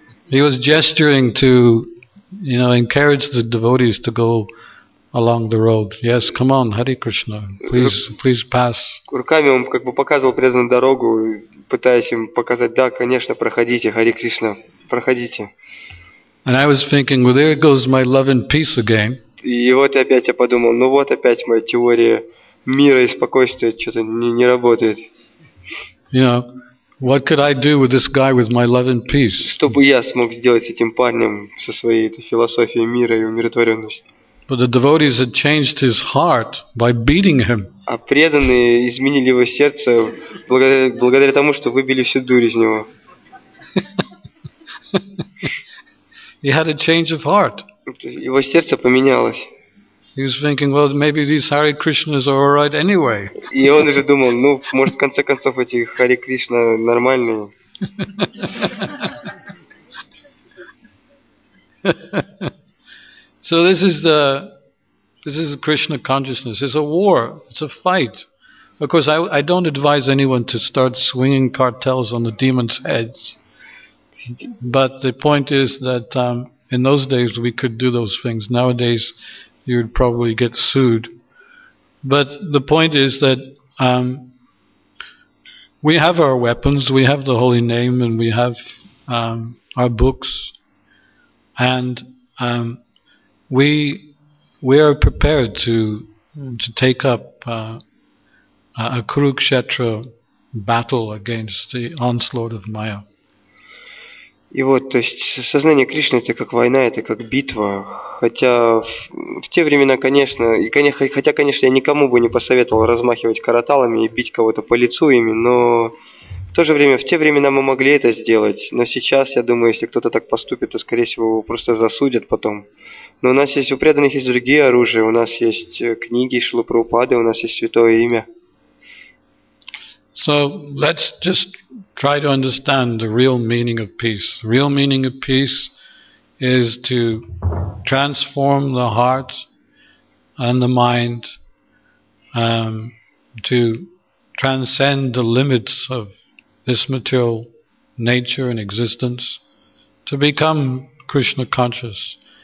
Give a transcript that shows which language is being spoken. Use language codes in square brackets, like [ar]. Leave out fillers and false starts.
[en] He was gesturing to, you know, encourage the devotees to go along the road. Yes, come on, Hare Krishna, please pass. [ru] Руками он как бы показывал преданным дорогу, пытаясь им показать: да, конечно, проходите, Hare Krishna, проходите. [en] And I was thinking, well, there goes my love and peace again. [ru] И вот опять я подумал, ну вот опять моя теория мира и спокойствия что-то не работает. [en] You know. What could I do with this guy with my love and peace? [ru] Что бы я смог сделать с этим парнем со своей этой философией мира и умиротворенности? [en] But the devotees had changed his heart by beating him. [ru] А преданные изменили его сердце благодаря тому, что выбили всю дурь из него. [en] He had a change of heart. [ru] Его сердце поменялось. [en] He was thinking, well, maybe these Hare Krishnas are all right anyway. [ru] И он уже думал, ну, может, в конце концов эти Hare Krishna нормальные. [en] So this is Krishna consciousness. It's a war. It's a fight. Of course, I don't advise anyone to start swinging cartels on the demons' heads. But the point is that in those days we could do those things. Nowadays, you'd probably get sued. But the point is that we have our weapons, we have the holy name, and we have our books, and we are prepared to take up a Kurukshetra battle against the onslaught of Maya. [ru] И вот, то есть, сознание Кришны – это как война, это как битва. Хотя в те времена, конечно, и хотя, конечно, я никому бы не посоветовал размахивать караталами и бить кого-то по лицу ими, но в то же время, в те времена мы могли это сделать. Но сейчас, я думаю, если кто-то так поступит, то, скорее всего, его просто засудят потом. Но у нас есть, у преданных есть другие оружия, у нас есть книги Шрилы Прабхупады, у нас есть святое имя. [en] So let's just try to understand the real meaning of peace. The real meaning of peace is to transform the heart and the mind, to transcend the limits of this material nature and existence, to become Krishna conscious.